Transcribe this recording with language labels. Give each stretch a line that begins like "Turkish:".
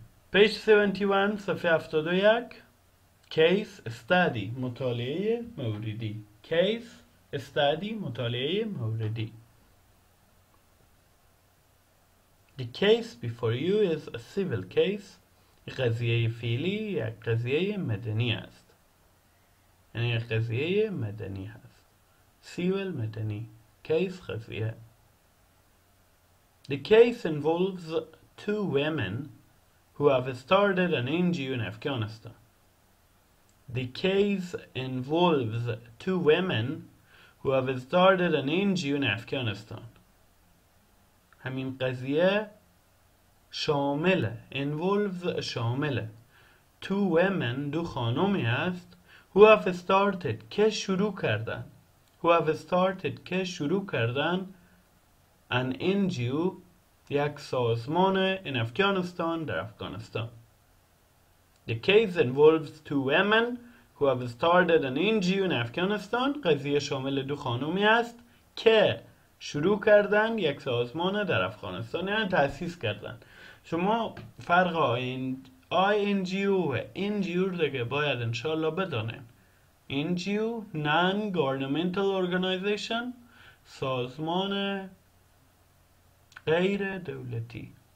English: Page 71,
Persian: صفحه 71.
English: Case study,
Persian: مطالعه موردی.
English: Case study,
Persian: مطالعه موردی.
English: The case before you is a civil case.
Persian: قضیه فعلی یک قضیه مدنی است. یعنی قضیه مدنی هست. سیول مدنی. کیس قضیه.
English: The case involves two women who have started an NGO in Afghanistan. The case involves two women who have started an NGO in Afghanistan.
Persian: همین قضیه شامله. Involves شامله.
English: Two women,
Persian: دو خانومی هست.
English: Who have started,
Persian: که شروع کردن.
English: Who have started,
Persian: که شروع کردن.
English: An NGO,
Persian: یک سازمان
English: in Afghanistan,
Persian: در افغانستان.
English: The case involves two women who have started an NGO in Afghanistan.
Persian: قضیه شامل دو خانومی است که شروع کردن یک سازمان در افغانستان. یعنی تأسیس کردن. شما فرق INGO و NGO دیگه باید انشاءالله بدانیم.
English: NGO, Non-Governmental Organization,
Persian: سازمان غیر دولتی.